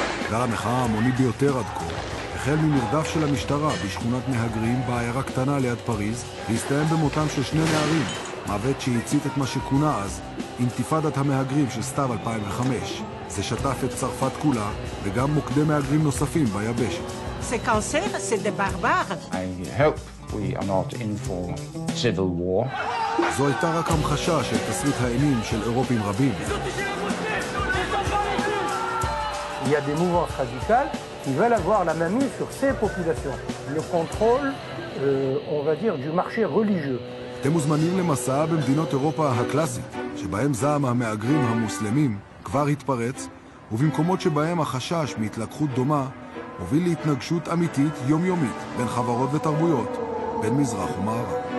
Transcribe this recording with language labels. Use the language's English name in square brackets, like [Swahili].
[Hebrew] גל המחאה המוני ביותר עד כה החל ממרדף של המשטרה בשכונת מהגרים בעיירה קטנה ליד פריז, והסתיים במותם של שני נערים, מוות שהצית את מה שכונה אז אינתיפאדת המהגרים של סתיו 2005. זה שטף את צרפת כולה וגם מוקדי מהגרים נוספים ביבשת. זה קנסר, זה [English] ברבר. I hope we are not in for civil war. [Hebrew] זו הייתה רק המחשה של תסריט האימים של אירופים רבים. [French] Il y a des mouvements radicaux qui veulent avoir la main sur ces populations. Le contrôle, on va dire, du marché religieux. [Hebrew] אתם מוזמנים למסע במדינות אירופה הקלאסית, שבהם זעם המאגרים המוסלמים כבר התפרץ, ובמקומות שבהם החשש מהתלקחות דומה הוביל להתנגשות אמיתית יומיומית בין חברות ותרבויות, בין מזרח ומערב.